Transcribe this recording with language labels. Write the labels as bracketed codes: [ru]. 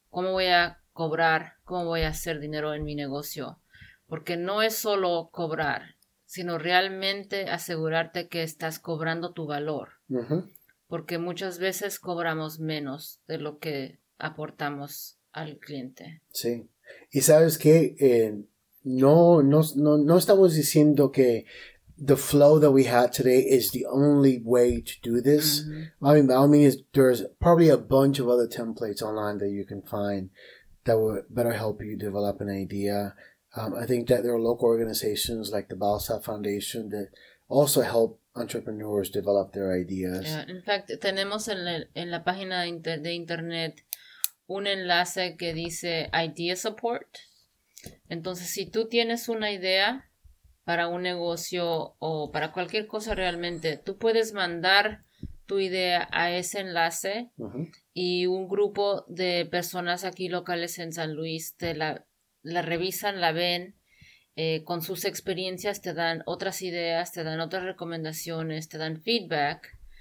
[es] ¿Cómo voy a cobrar? ¿Cómo voy a hacer dinero en mi negocio? Porque no es solo cobrar, sino realmente asegurarte que estás cobrando tu valor. Porque muchas veces cobramos menos de lo que aportamos al cliente. Sí. Y sabes que no estamos diciendo que [en] the flow that we had today is the only way to do this. Mm-hmm. I mean, there's probably a bunch of other templates online that you can find that will better help you develop an idea. I think that there are local organizations like the Balsat Foundation that also help entrepreneurs develop their ideas. Yeah. In fact, [es] tenemos en la página de internet un enlace que dice Idea Support. Entonces, si tú tienes una idea para un negocio o para cualquier cosa realmente, tú puedes mandar tu idea a ese enlace y un grupo de personas aquí locales en San Luis te la revisan, la ven, con sus experiencias te dan otras ideas, te dan otras recomendaciones, te dan feedback.